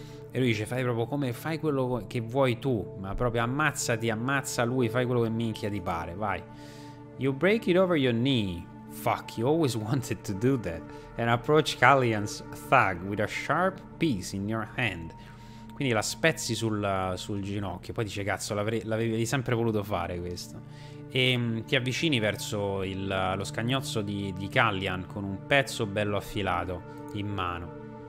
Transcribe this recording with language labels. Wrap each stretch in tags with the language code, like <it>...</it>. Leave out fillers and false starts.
<it>E lui dice, fai proprio come, fai quello che vuoi tu, ma proprio ammazzati, ammazza lui, fai quello che minchia ti pare, vai.</it> <en>You break it over your knee. Fuck, you always wanted to do that. And approach Kalyan's thug with a sharp piece in your hand.</en> <it>Quindi la spezzi sul ginocchio, poi dice, cazzo, l'avevi sempre voluto fare questo. E ti avvicini verso lo scagnozzo di Kalyan con un pezzo bello affilato in mano.</it>